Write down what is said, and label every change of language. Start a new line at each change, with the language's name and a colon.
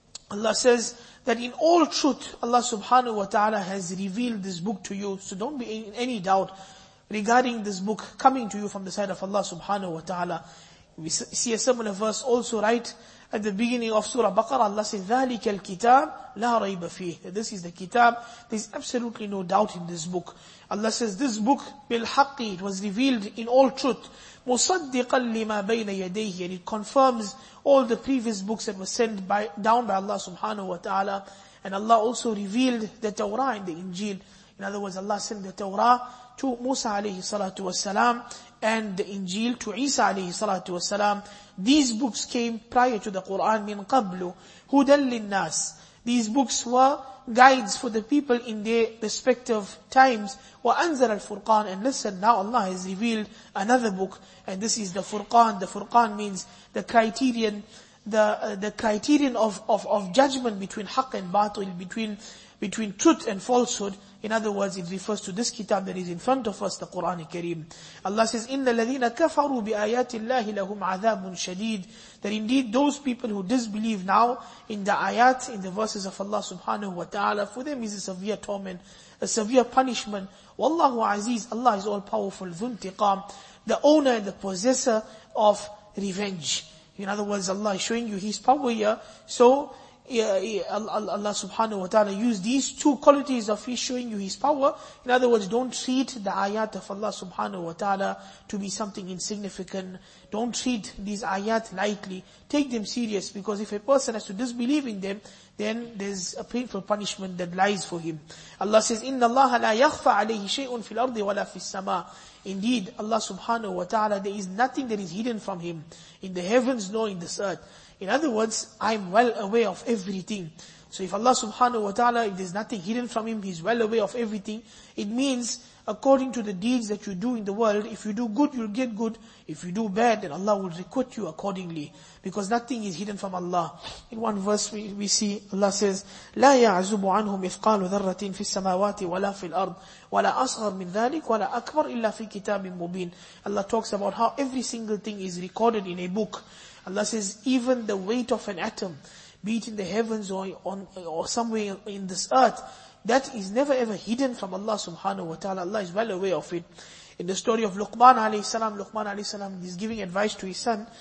English: Allah says that in all truth, Allah subhanahu wa ta'ala has revealed this book to you. So don't be in any doubt regarding this book coming to you from the side of Allah subhanahu wa ta'ala. We see a similar verse also right at the beginning of Surah Baqarah. Allah says,
Arabic: ذَلِكَ الْكِتَابِ لَا رَيْبَ فِيهِ.
English: This is the kitab. There's absolutely no doubt in this book. Allah says, this book, بِالْحَقِّ, it was revealed in all truth.
Arabic: مُصَدِّقًا لِمَا بَيْنَ يَدَيْهِ.
English: And it confirms all the previous books that were sent by down by Allah subhanahu wa ta'ala. And Allah also revealed the Torah and the Injil. In other words, Allah sent the Torah to Musa alayhi salatu wasalam and the Injil to Isa alayhi salatu wasalam. These books came prior to the Quran.
Arabic: مِنْ قَبْلُ هُدَى لِلنَّاسِ.
English: These books were guides for the people in their respective times.
Arabic: وَأَنزَلَ الْفُرْقَانِ.
English: And listen, now Allah has revealed another book. And this is the Furqan. The Furqan means the criterion, the criterion of judgment between haqq and batil, between truth and falsehood. In other words, it refers to this kitab that is in front of us, the Quran Kareem. Allah says,
Arabic: إِنَّ الَّذِينَ كَفَرُوا بِآيَاتِ اللَّهِ لَهُمْ عَذَابٌ شَدِيدٌ.
English: That indeed those people who disbelieve now in the ayat, in the verses of Allah subhanahu wa ta'ala, for them is a severe torment, a severe punishment.
Arabic: وَاللَّهُ عَزِيزٌ.
English: Allah is all-powerful,
Arabic: ذُو انتقام.
English: The owner and the possessor of revenge. In other words, Allah is showing you His power here. So, Allah subhanahu wa ta'ala used these two qualities of His showing you His power. In other words, don't treat the ayat of Allah subhanahu wa ta'ala to be something insignificant. Don't treat these ayat lightly. Take them serious, because if a person has to disbelieve in them, then there's a painful punishment that lies for him. Allah says,
Arabic: إِنَّ اللَّهَ لَا يَخْفَ عَلَيْهِ شَيْءٌ فِي الْأَرْضِ وَلَا فِي السَّمَاءِ.
English: Indeed, Allah subhanahu wa ta'ala, there is nothing that is hidden from Him in the heavens nor in this earth. In other words, I'm well aware of everything. So if Allah subhanahu wa ta'ala, if there's nothing hidden from Him, He's well aware of everything, it means according to the deeds that you do in the world, if you do good, you'll get good. If you do bad, then Allah will requite you accordingly. Because nothing is hidden from Allah. In one verse we see, Allah says,
Arabic: لَا يَعْزُبُ عَنْهُمْ إِثْقَالُ ذَرَّةٍ فِي السَّمَاوَاتِ وَلَا فِي الْأَرْضِ وَلَا أَصْغَرٍ مِنْ ذَلِكَ وَلَا أَكْبَرٍ إِلَّا فِي كِتَابٍ مُبِينٍ.
English: Allah talks about how every single thing is recorded in a book. Allah says, even the weight of an atom, be it in the heavens or somewhere in this earth, that is never ever hidden from Allah subhanahu wa ta'ala. Allah is well aware of it. In the story of Luqman alayhi salam, Luqman alayhi salam is giving advice to his son.